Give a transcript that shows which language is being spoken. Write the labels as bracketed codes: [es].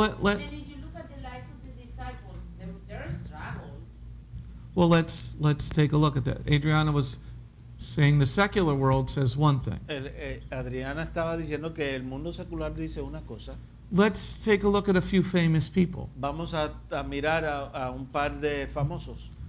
[en] and if you look at the lives of the disciples, they're struggling. Well, let's take a look at that. Adriana was saying the secular world says one thing. [es] Adriana estaba diciendo que el mundo secular dice una cosa. [en] Let's take a look at a few famous people. [es] Vamos a mirar a un par de famosos.